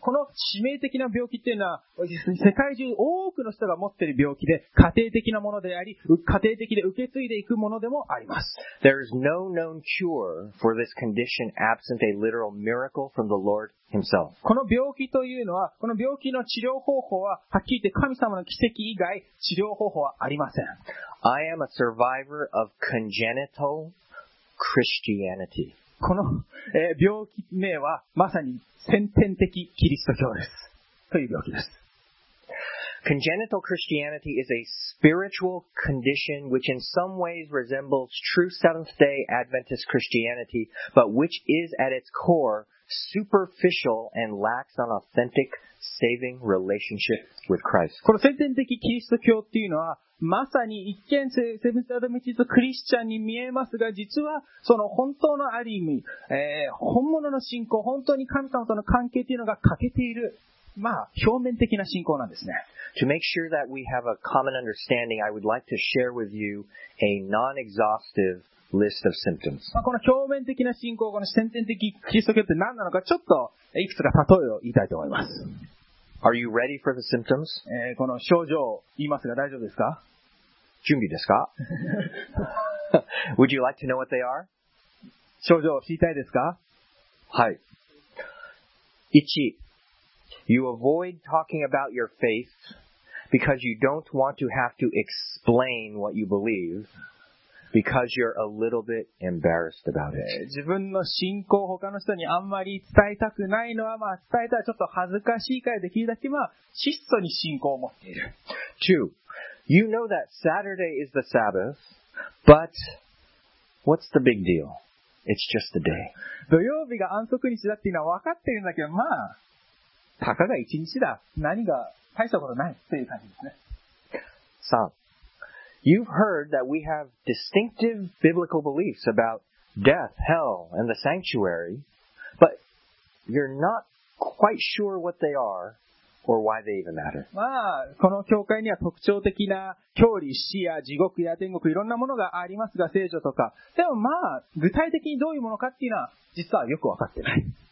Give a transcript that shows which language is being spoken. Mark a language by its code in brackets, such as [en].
[ja] この致命的な病気っていうのは、実に世界中多くの人が持っている病気で、家庭的なものであり、家庭的で受け継いでいくものでもあります。 [en] There is no known cure for this condition absent a literal miracle from the Lord himself. [ja] この病気というのは、この病気の治療方法は、はっきり言って神様の奇跡以外、治療方法はありません。 [en] I am a survivor of congenital Christianity. [ja] この、病気名はまさに先天的キリスト教です。という病気です。 [en] Congenital Christianity is a spiritual condition which in some ways resembles true Seventh-day Adventist Christianity, but which is at its core superficial and lacks an authentic saving relationship with Christ. [ja] この先天的キリスト教っていうのは、まさに一見セブンスアドベンチストクリスチャンに見えますが、実はその本当のある意味、本物の信仰、本当に神様との関係っていうのが欠けている。まあ、表面的な信仰なんですね。 [en] To make sure that we have a common understanding, I would like to share with you a non-exhaustive list of symptoms. [ja] まあ、この表面的な信仰、この先天的キリスト教って何なのか、ちょっといくつか例えを言いたいと思います。 [en] Are you ready for the symptoms? [ja] この症状を言いますが大丈夫ですか？準備ですか？ [en] Would you like to know what they are? [ja] 症状を知りたいですか？はい。1. [en] You avoid talking about your faith because you don't want to have to explain what you believe because you're a little bit embarrassed about it. [ja] 自分の信仰を他の人にあんまり伝えたくないのは、まあ、伝えたらちょっと恥ずかしいからできるだけ、まあ、質素に信仰を持っている。 [en] Two, you know that Saturday is the Sabbath, but what's the big deal? It's just a day. [ja] 土曜日が安息日だっていうのは分かってるんだけど、まあ、たかが一日だ。何が大したことないっていう感じですね。 [en] 3. You've heard that we have distinctive biblical beliefs about death, hell, and the sanctuary, but you're not quite sure what they are or why they even matter. [ja] まあ、この教会には特徴的な教理、死や地獄や天国、いろんなものがありますが、聖書とか。でもまあ、具体的にどういうものかっていうのは、実はよくわかってない。